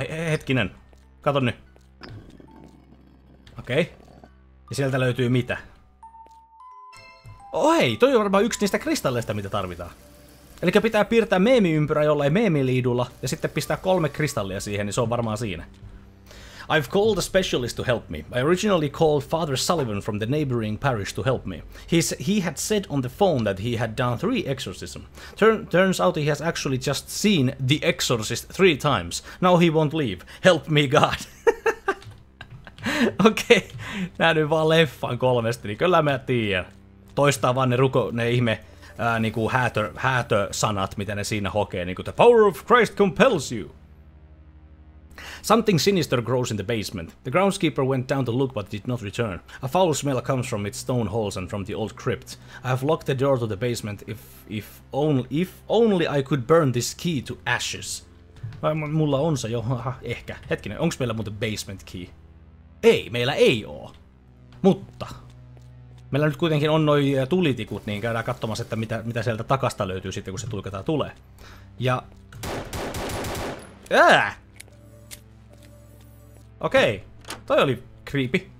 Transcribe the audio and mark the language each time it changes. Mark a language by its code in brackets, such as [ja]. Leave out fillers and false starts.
[fi] Hetkinen. Kato nyt. Okei. Okay. Ja sieltä löytyy mitä? Oh hei, toi on varmaan yksi niistä kristalleista, mitä tarvitaan. Eli pitää piirtää meemiympyrä jollain meemiliidulla ja sitten pistää 3 kristallia siihen, niin se on varmaan siinä. [en] I've called a specialist to help me. I originally called Father Sullivan from the neighboring parish to help me. He had said on the phone that he had done 3 exorcisms. Turns out he has actually just seen the exorcist 3 times. Now he won't leave. Help me God. Okei, okay. [fi] Nähnyt vaan leffan 3, niin kyllä mä tiedän. Toistaa vaan ne ihme niinku häätösanat, mitä ne siinä hokee, niinku [en] the power of Christ compels you. Something sinister grows in the basement. The groundskeeper went down to look but did not return. A foul smell comes from its stone halls and from the old crypt. I have locked the door to the basement if only I could burn this key to ashes. [fi] Mulla on se jo, ehkä. Hetkinen, onks meillä muuten basement key? Ei, meillä ei oo. Mutta meillä nyt kuitenkin on noi tulitikut, niin käydään katsomassa, että mitä sieltä takasta löytyy sitten, kun se tulkataan tulee. Ja okei, toi oli creepy.